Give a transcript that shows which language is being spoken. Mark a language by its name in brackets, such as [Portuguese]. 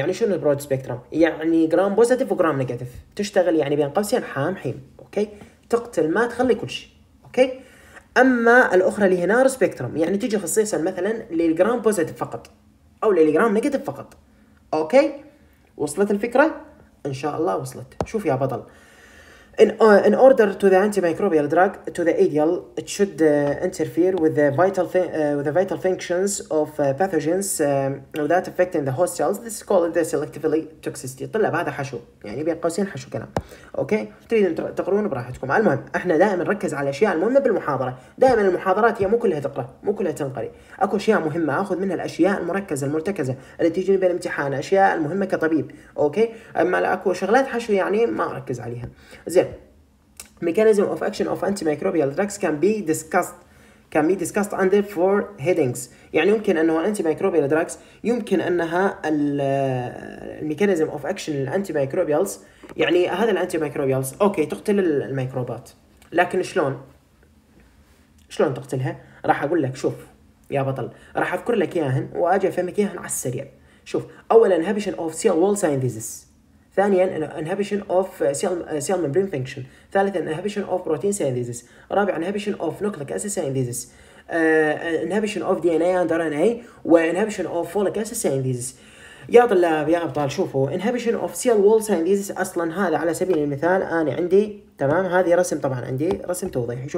[Arabic] يعني شنو برود سبيكتروم؟ يعني جرام بوزيتيف وجرام نيجاتيف، تشتغل يعني بين قوسين حام حيم، اوكي، تقتل ما تخلي كل شيء. اوكي، اما الاخرى اللي هي نار سبيكتروم، يعني تجي خصيصا مثلا للجرام بوزيتيف فقط او للجرام نيجاتيف فقط. اوكي، وصلت الفكره؟ ان شاء الله وصلت. شوف يا بطل، [English] in order to the antimicrobial drug to the ideal it should interfere with the vital with the vital functions of pathogens that affecting the host cells, this is called the selectively toxicity. [Arabic] طلع هذا حشو، يعني بين قوسين حشو كلام. اوكي، تريدون تقرون براحتكم. المهم احنا دائما نركز على الاشياء المهمه بالمحاضره، دائما المحاضرات هي مو كلها تقرا، مو كلها تنقري، اكو اشياء مهمه اخذ منها الاشياء المركزه المرتكزه اللي تجيني بالامتحان، اشياء المهمه كطبيب. اوكي، اما اكو شغلات حشو يعني ما اركز عليها. زين، [English] mechanism of action of antimicrobial drugs can be discussed under four headings. [Arabic] يعني يمكن انه antimicrobial drugs، يمكن انها mechanism of action antimicrobials، يعني هذا antimicrobials اوكي تقتل الميكروبات، لكن شلون تقتلها؟ راح اقول لك. شوف يا بطل، راح اذكر لك اياهن واجي افهمك اياهن على السريع. شوف، اولا [English] inhibition of cell wall synthesis، ثانيا inhibition of cell membrane function، ثالثا inhibition of protein synthesis، رابعا inhibition of nucleic acid synthesis، inhibition of DNA and RNA، و inhibition of folic acid synthesis. [Arabic] يا طلاب يا ابطال، شوفوا inhibition of cell wall synthesis اصلا هذا على سبيل المثال انا عندي، تمام، هذه رسم، طبعا عندي رسم توضيحي.